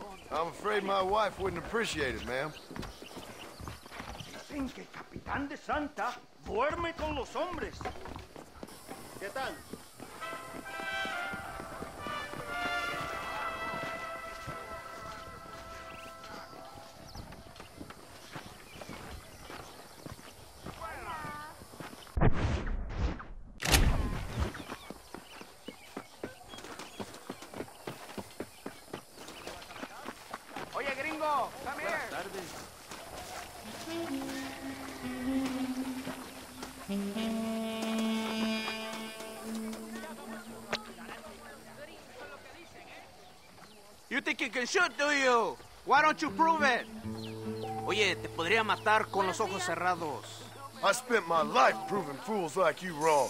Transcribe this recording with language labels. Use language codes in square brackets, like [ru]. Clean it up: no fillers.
[en] I'm afraid my wife wouldn't appreciate it, ma'am. [es] Dicen que el capitán de Santa duerme con los hombres. ¿Qué tal? [en] You think you can shoot, do you? Why don't you prove it? [es] Oye, te podría matar con los ojos cerrados. [en] I spent my life proving fools like you wrong.